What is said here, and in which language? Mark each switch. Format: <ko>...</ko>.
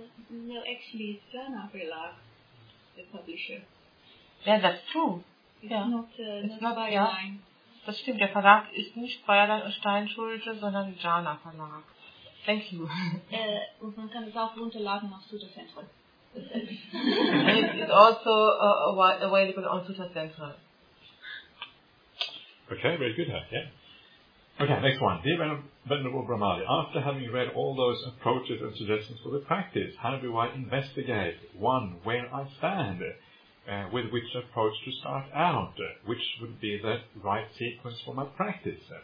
<en>No, actually it's Jana Verlag, the publisher. Yeah, that's true. It's not Bayerlein. Yeah.</en> <de>Das stimmt, der Verlag ist nicht Bayerlein und Steinschulte, sondern Jana Verlag.</de> <en>Thank you.</en> <de>Und man kann es auch runterladen auf Sutterzentrum.</de> <en>It's also available on Sutta Central. Okay, very good. Yeah. Okay, next one. Dear Venerable Brahmali, after having read all those approaches and suggestions for the practice, how do I investigate, one, where I stand, with which approach to start out, which would be the right sequence for my practice?</en>